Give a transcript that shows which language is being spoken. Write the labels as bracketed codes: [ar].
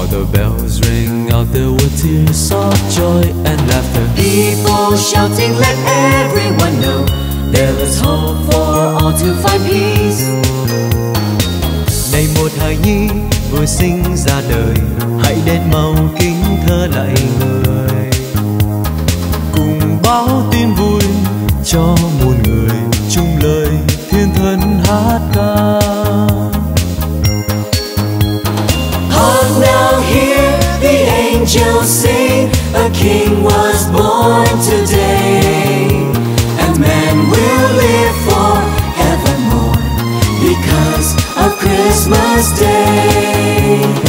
[en] Bells ring out, there were tears of joy and laughter. People shouting, let everyone know there is hope for all to find peace. [vi] Này một hài nhi vừa sinh ra đời, hãy đến mau kính thờ lạy người. Cùng báo tin vui cho muôn người, chung lời thiên thần hát ca. [en] Angels sing, a king was born today. And man will live forevermore because of Christmas Day.